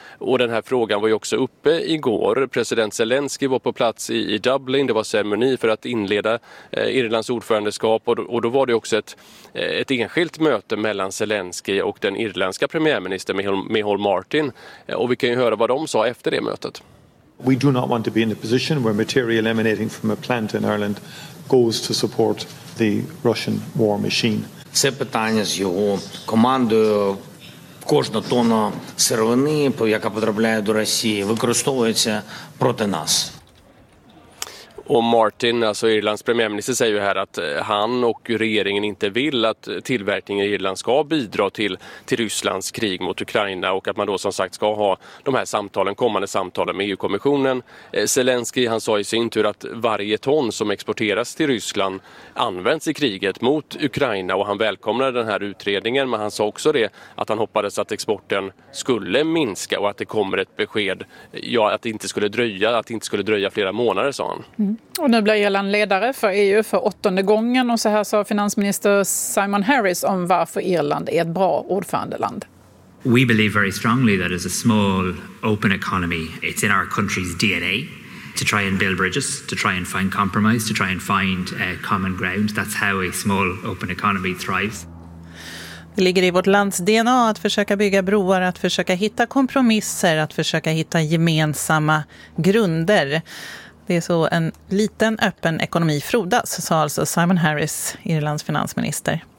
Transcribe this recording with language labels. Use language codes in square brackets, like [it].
[sv] Och den här frågan var ju också uppe igår. President Zelensky var på plats i Dublin. Det var ceremoni för att inleda Irlands ordförandeskap, och då var det också ett enskilt möte mellan Zelensky och den irländska premiärministern Micheál Martin, och vi kan ju höra vad de sa efter det mötet. [en] We do not want to be in a position where material emanating from a plant in Ireland goes to support the Russian war machine. [uk] Це питання з його командою. Кожна тонна сировини, яка потрапляє до Росії, використовується проти нас. [sv] Och Martin, alltså Irlands premiärminister, säger ju här att han och regeringen inte vill att tillverkningen i Irland ska bidra till Rysslands krig mot Ukraina, och att man då som sagt ska ha de här kommande samtalen med EU-kommissionen. Zelensky, han sa i sin tur att varje ton som exporteras till Ryssland används i kriget mot Ukraina, och han välkomnade den här utredningen, men han sa också det att han hoppades att exporten skulle minska och att det kommer ett besked, ja, att det inte skulle dröja flera månader, sa han. Och nu blir Irland ledare för EU för 8:e gången, och så här sa finansminister Simon Harris om varför Irland är ett bra ordförandeland. [en] We believe very strongly that as a small, open economy, it's in our country's DNA to try and build bridges, to try and find compromise, to try and find common ground. That's how a small, open economy thrives. [sv] Det ligger i vårt lands DNA att försöka bygga broar, att försöka hitta kompromisser, att försöka hitta gemensamma grunder. Det är så en liten öppen ekonomi frodas, sa alltså Simon Harris, Irlands finansminister.